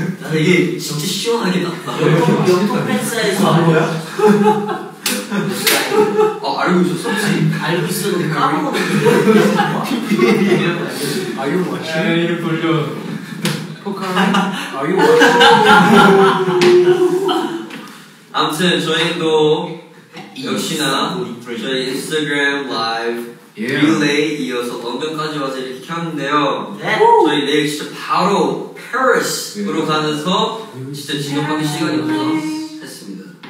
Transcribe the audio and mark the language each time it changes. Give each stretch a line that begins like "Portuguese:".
Korean: 되게 진짜 시원하게 났다. 영통 팬사에서 한 거야? 어 알고 있었어? 알고 있었는데 까먹었어.
English: Are you watching?
Korean: 에이 불려
English: 포카랑 Are you watching?
Korean: 아무튼 저희도 역시나 저희 인스타그램 라이브
English: Yeah.
Korean: 릴레이 이어서 런던까지 와서 이렇게 켰는데요.
English: Yeah.
Korean: 저희 내일 진짜 바로 파리스로 yeah. 가면서 진짜 지금 하기 시간이 없어서 했습니다.